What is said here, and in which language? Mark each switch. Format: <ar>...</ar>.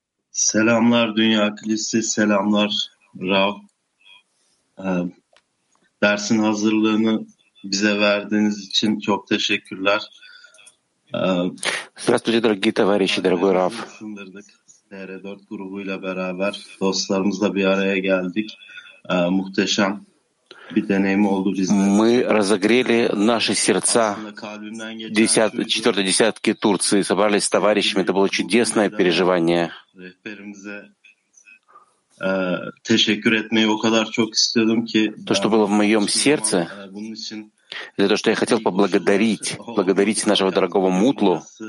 <tr>Selamlar Dünya Kilisesi, selamlar Rav. Dersin hazırlığını bize verdiğiniz için çok teşekkürler.</tr> <ru>Здравствуйте, дорогие товарищи, дорогой Рав.</ru> <tr>TR4 grubuyla beraber dostlarımızla bir araya geldik. Muhteşem bir deneyim oldu bizim.</tr> <ru>Мы разогрели наши сердца. 4-й десятки Турции собрались с товарищами. Это было чудесное переживание.</ru> <tr>Rehberimize teşekkür etmeyi o kadar çok istiyordum ki.</tr> <ru>То, что было в моем сердце, это то, что я хотел поблагодарить, благодарить нашего дорогого Мутлу.</ru>